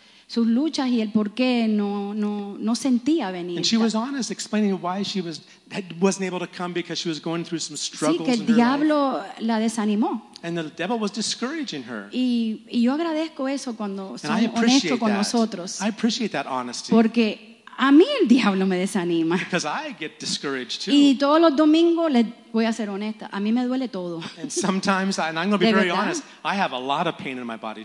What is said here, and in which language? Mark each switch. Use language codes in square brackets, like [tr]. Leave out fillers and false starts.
[es] sus luchas y el por qué no sentía venir. [en] And she was honest explaining why she wasn't able to come because she was going through some struggles. [es] Sí, que el diablo la desanimó. [en] And the devil was discouraging her. [es] Y yo agradezco eso cuando soy honesto con nosotros. [en] I appreciate that honesty. [es] Porque a mí el diablo me desanima. [en] Because I get discouraged too. [es] Y todos los domingos les voy a ser honesta, a mí me duele todo. [en] And sometimes, and I'm going to be very honest, I have a lot of pain in my body.